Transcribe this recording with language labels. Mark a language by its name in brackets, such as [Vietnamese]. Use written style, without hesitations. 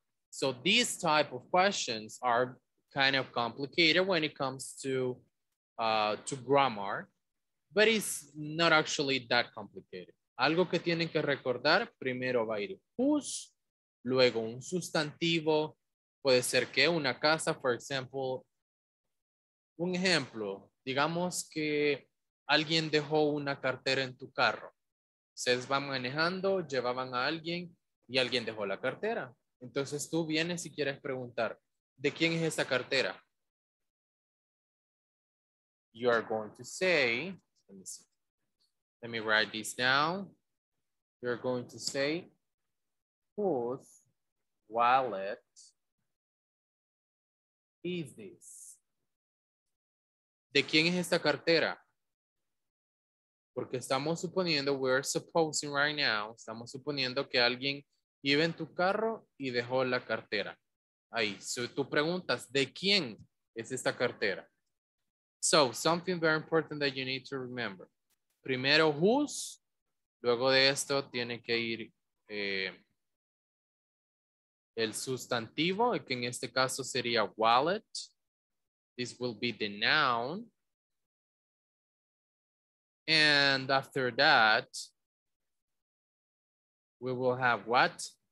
[English] So these type of questions are kind of complicated when it comes to grammar, but it's not actually that complicated. [Spanish] Algo que tienen que recordar, primero va a ir whose, luego un sustantivo, puede ser que una casa, [English] for example. [Spanish] Un ejemplo, digamos que alguien dejó una cartera en tu carro. Ustedes van manejando, llevaban a alguien y alguien dejó la cartera. Entonces tú vienes y quieres preguntar, ¿de quién es esa cartera? [English] You are going to say, let me see, let me write this down. You're going to say, whose wallet is this? [Spanish] ¿De quién es esta cartera? Porque estamos suponiendo, [English] we're supposing right now, [Spanish] estamos suponiendo que alguien iba en tu carro y dejó la cartera. Ahí, so tú preguntas, ¿de quién es esta cartera? [English] So, something very important that you need to remember. [Spanish] Primero, whose. Luego de esto, tiene que ir el sustantivo, que en este caso sería wallet. [English] This will be the noun. And after that, we will have what?